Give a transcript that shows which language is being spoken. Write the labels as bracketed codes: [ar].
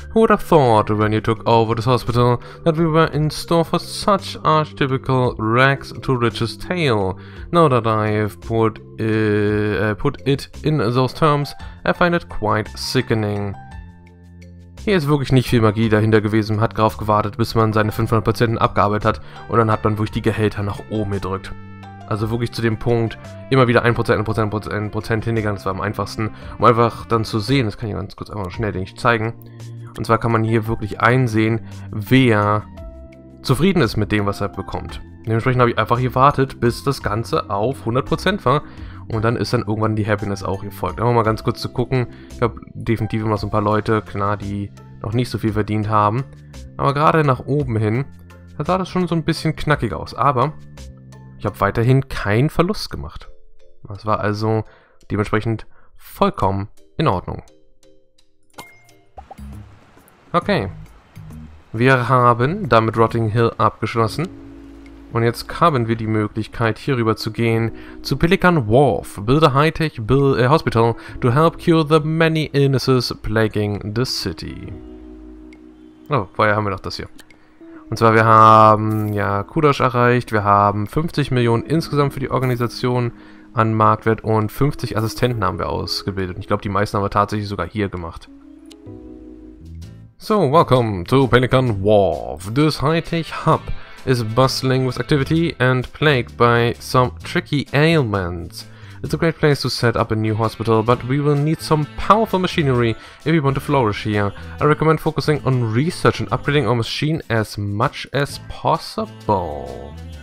[en] Who would have thought when you took over this hospital that we were in store for such archetypical rags to riches tale? Now that I've put it in those terms, I find it quite sickening. [de] Hier ist wirklich nicht viel Magie dahinter gewesen, hat darauf gewartet, bis man seine 500 Patienten abgearbeitet hat und dann hat man wirklich die Gehälter nach oben gedrückt. Also wirklich zu dem Punkt, immer wieder 1%, 1%, 1%, 1% hingegangen, das war am einfachsten, um einfach dann zu sehen, das kann ich ganz kurz einfach noch schnell nicht zeigen. Und zwar kann man hier wirklich einsehen, wer zufrieden ist mit dem, was er bekommt. Dementsprechend habe ich einfach gewartet, bis das Ganze auf 100% war und dann ist dann irgendwann die Happiness auch gefolgt. Einfach mal ganz kurz zu gucken, ich habe definitiv immer so ein paar Leute, klar, die noch nicht so viel verdient haben. Aber gerade nach oben hin, da sah das schon so ein bisschen knackig aus, aber ich habe weiterhin keinen Verlust gemacht. Das war also dementsprechend vollkommen in Ordnung. Okay. Wir haben damit Rotting Hill abgeschlossen. Und jetzt haben wir die Möglichkeit, hier rüber zu gehen zu Pelican Wharf. [en] Build a high-tech hospital to help cure the many illnesses plaguing the city. [de] Oh, vorher haben wir noch das hier. Und zwar, wir haben ja Kudosh erreicht, wir haben 50 Millionen insgesamt für die Organisation an Marktwert und 50 Assistenten haben wir ausgebildet. Und ich glaube, die meisten haben wir tatsächlich sogar hier gemacht. [en] So, welcome to Pelican Wharf. This high-tech hub is bustling with activity and plagued by some tricky ailments. It's a great place to set up a new hospital, but we will need some powerful machinery if we want to flourish here. I recommend focusing on research and upgrading our machine as much as possible.